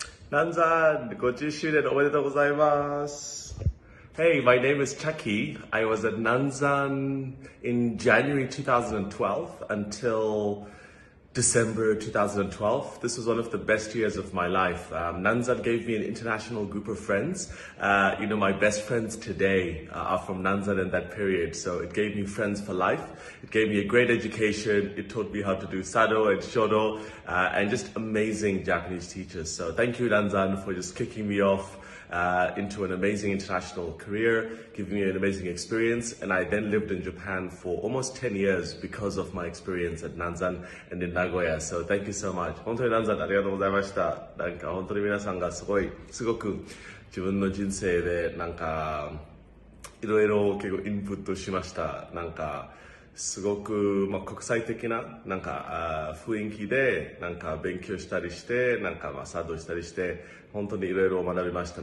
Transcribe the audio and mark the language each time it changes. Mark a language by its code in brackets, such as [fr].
[ja] 南山、50周年おめでとうございます。 [en] Hey, my name is Chucky. I was at 南山 in January 2012 until December 2012. This was one of the best years of my life. 南山 gave me an international group of friends. You know, my best friends today are from 南山 in that period. So it gave me friends for life. It gave me a great education. It taught me how to do sado and shodo, and just amazing Japanese teachers. So thank you, 南山, for just kicking me off. Into an amazing international career, giving me an amazing experience. And I then lived in Japan for almost 10 years because of my experience at 南山 and in Nagoya. So thank you so much. [ja] 本当に南山ありがとうございました。なんか本当に皆さんがすごく自分の人生でなんかいろいろ結構インプットしました。なんかすごく、まあ、国際的な、なんか、雰囲気で、なんか、勉強したりして、なんか、まあ、作動したりして、本当にいろいろ学びました。